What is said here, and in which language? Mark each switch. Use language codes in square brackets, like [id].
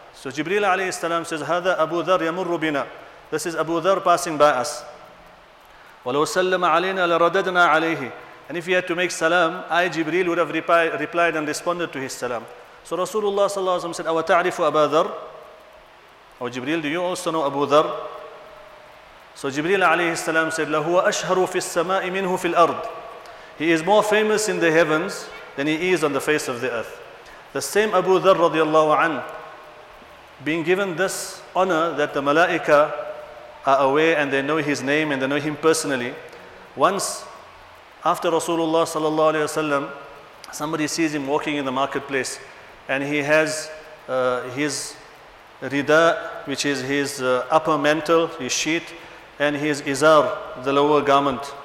[en] So Jibreel alayhi salam says, [ar] Hada Abu Dharr yamurru bina. [en] This is Abu Dharr passing by us. [ar] وَلَوْ سَلَّمَ عَلَيْنَا لَرَدَدْنَا عَلَيْهِ. [en] And if he had to make salam, I, Jibreel, would have replied and responded to his salam. So Rasulullah sallallahu alayhi wa sallam said, [ar] أَوَتَعْرِفُ أَبَا ذَرَّ? [en] Oh Jibreel, do you also know Abu Dharr? So Jibreel alayhi salam said, [ar] لَهُوَ أَشْهَرُ فِي السَّمَاءِ مِنْهُ فِي الْأَرْضِ. [en] He is more famous in the heavens than he is on the face of the earth. The same Abu Dharr radiallahu anhu, being given this honor that the malaika are aware and they know his name and they know him personally. Once, after Rasulullah sallallahu alayhi wa sallam, somebody sees him walking in the marketplace and he has his rida, which is his upper mantle, his sheet, and his izar, the lower garment.